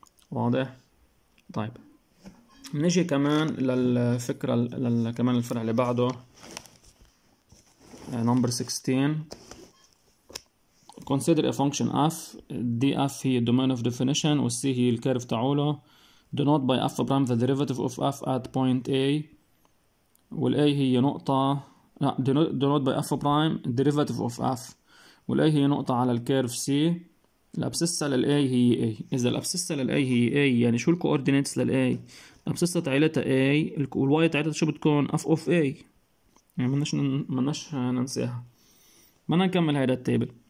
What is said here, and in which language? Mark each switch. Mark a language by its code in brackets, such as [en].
[ar] واضح؟ طيب نجي كمان للفكرة كمان الفرع اللي بعده نمبر 16. [en] Consider a function f. [ar] df هي domain of definition وc هي الكيرف تاعوله. [en] Denote by f prime the derivative of f at point a. [ar] والa هي نقطة، لا [en] denote by f prime derivative of f. [ar] والa هي نقطة على الكيرف c. الابسسة للa هي a. إذا الابسسة للa هي a يعني شو الكوردينيتس للa؟ الابسسة تعيلتها a والواي تعيلتها شو بتكون؟ f of a. يعني مناش ننسيها. بدنا نكمل هيدا التابل.